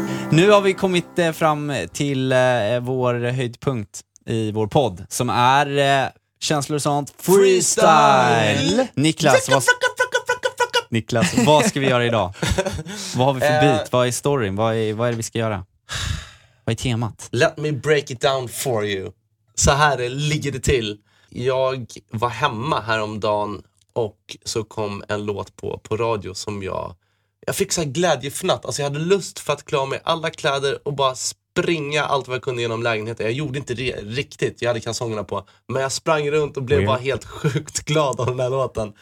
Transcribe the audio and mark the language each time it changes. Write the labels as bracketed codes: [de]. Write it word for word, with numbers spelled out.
[sv] Nu har vi kommit eh, fram till eh, vår höjdpunkt i vår podd som är eh, känslor och sånt freestyle. freestyle. Niklas, vad Niklas, vad ska vi göra idag? Vad har vi för bit? Vad är storyn? Vad är, vad är det vi ska göra? Vad är temat? [en] Let me break it down for you. [sv] Så här ligger det till. Jag var hemma häromdagen och så kom en låt på, på radio som jag... Jag fick så här glädjefnatt. Alltså jag hade lust för att klara mig alla kläder och bara springa allt vad jag kunde genom lägenheten. Jag gjorde inte det riktigt. Jag hade kalsongerna på. Men jag sprang runt och blev mm. bara helt sjukt glad av den här låten.